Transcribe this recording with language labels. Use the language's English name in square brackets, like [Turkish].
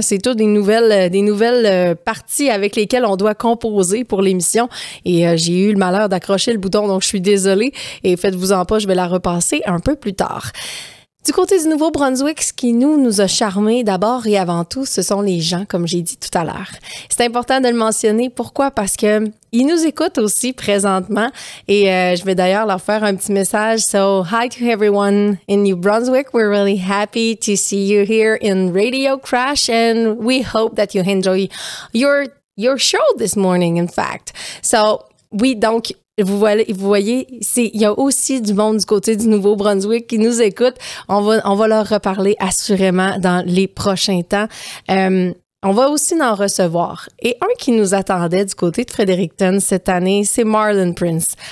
[French] C'est tout des nouvelles parties avec lesquelles on doit composer pour l'émission, et j'ai eu le malheur d'accrocher le bouton, donc je suis désolée, et faites-vous-en pas, je vais la repasser un peu plus tard. Du côté du Nouveau-Brunswick, ce qui nous a charmés d'abord et avant tout, ce sont les gens, comme j'ai dit tout à l'heure. C'est important de le mentionner. Pourquoi? Parce que ils nous écoutent aussi présentement. Et je vais d'ailleurs leur faire un petit message. [English] So, hi to everyone in New Brunswick. We're really happy to see you here in Radio Crash. And we hope that you enjoy your show this morning, in fact. So, [French] oui, donc, Vous voyez, il y a aussi du monde du côté du Nouveau-Brunswick qui nous écoute. On va leur reparler assurément dans les prochains temps. On va aussi en recevoir. Et un qui nous attendait du côté de Fredericton cette année, c'est Marlon Prince.